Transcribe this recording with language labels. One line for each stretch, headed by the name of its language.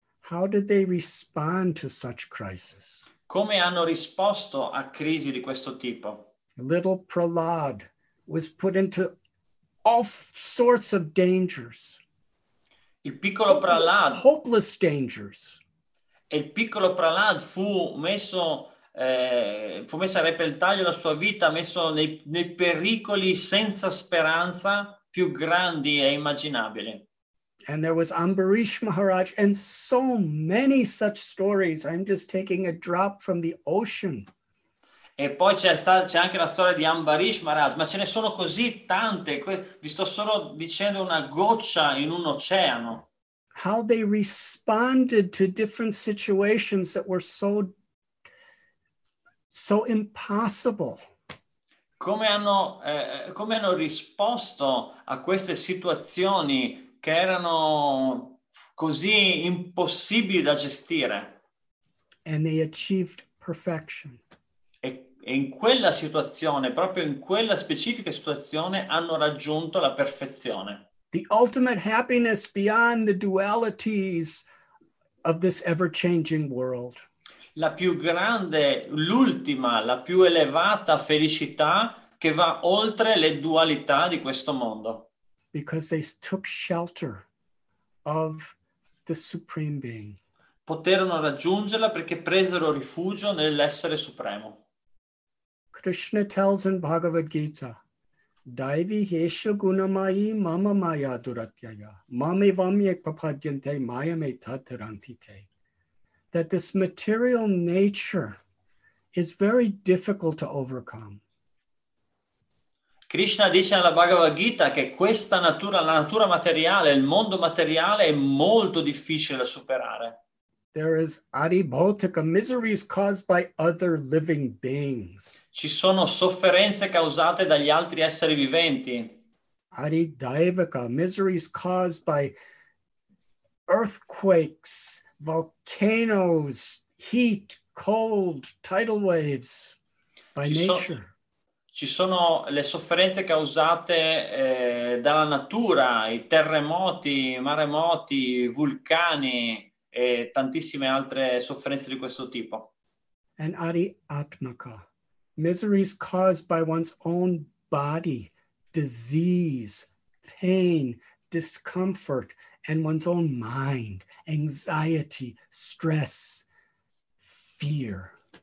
English: How did they respond to such crisis?
Italian: Come hanno risposto a crisi di questo tipo?
English: Little Prahlad was put into all sorts of dangers.
Italian: Il piccolo Prahlad.
English: Hopeless dangers.
Italian: Il piccolo Prahlad fu messo a repentaglio la sua vita, messo nei pericoli senza speranza più grandi e immaginabili.
English: And there was Ambarish Maharaj and so many such stories. I'm just taking a drop from the ocean.
Italian: E poi c'è anche la storia di Ambarish Maharaj, ma ce ne sono così tante. Vi sto solo dicendo una goccia in un oceano.
English: How they responded to different situations that were so impossible.
Italian: Come hanno risposto a queste situazioni che erano così impossibili da gestire.
English: And they achieved perfection.
Italian: E in quella situazione, proprio in quella specifica situazione, hanno raggiunto la perfezione.
English: The ultimate happiness beyond the dualities of this ever-changing world.
Italian: La più grande, l'ultima, la più elevata felicità che va oltre le dualità di questo mondo.
English: Because they took shelter of the Supreme Being.
Italian: Poterono raggiungerla perché presero rifugio nell'essere supremo.
English: Krishna tells in Bhagavad Gita,
Sanskrit: Daivi hesha gunamayi mama maya duratyaya, mame vamye papadyante maya me tatarantite.
English: That this material nature is very difficult to overcome.
Italian: Krishna dice nella Bhagavad Gita che questa natura, la natura materiale, il mondo materiale è molto difficile da superare.
English: There is adibhautika, miseries caused by other living beings.
Italian: Ci sono sofferenze causate dagli altri esseri viventi.
English: Adidaivika, miseries caused by earthquakes, volcanoes, heat, cold, tidal waves, by nature.
Italian: Ci sono le sofferenze causate dalla natura, i terremoti, i maremoti, i vulcani e tantissime altre sofferenze di questo tipo.
English: And adi atmaka, miseries caused by one's own body, disease, pain, discomfort, and one's own mind, anxiety, stress, fear.